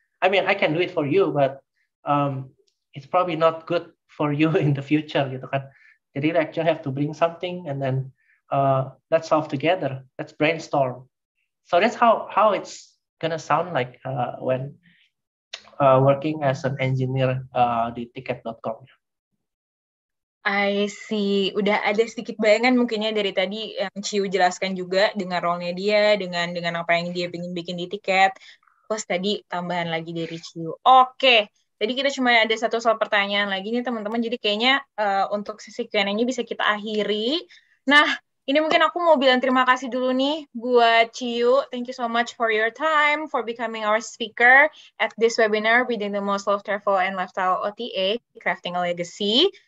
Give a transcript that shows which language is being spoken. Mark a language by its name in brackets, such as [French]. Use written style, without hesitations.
[English] I mean, I can do it for you, but it's probably not good for you in the future, [Indonesian] gitu kan. Jadi, [English] you actually have to bring something and then let's solve together. Let's brainstorm. So that's how it's gonna sound like when working as an engineer di tiket.com. I see. [Indonesian] Udah ada sedikit bayangan mungkinnya dari tadi yang Ciu jelaskan juga dengan role-nya dia, dengan apa yang dia ingin bikin di Tiket. Plus tadi tambahan lagi dari Ciu. Oke. Jadi kita cuma ada satu soal pertanyaan lagi nih teman-teman. Jadi kayaknya untuk sesi Q&A-nya bisa kita akhiri. Nah, ini mungkin aku mau bilang terima kasih dulu nih buat Ciu. [English] Thank you so much for your time, for becoming our speaker at this webinar, Building the Most Loved Travel and Lifestyle OTA, Crafting a Legacy.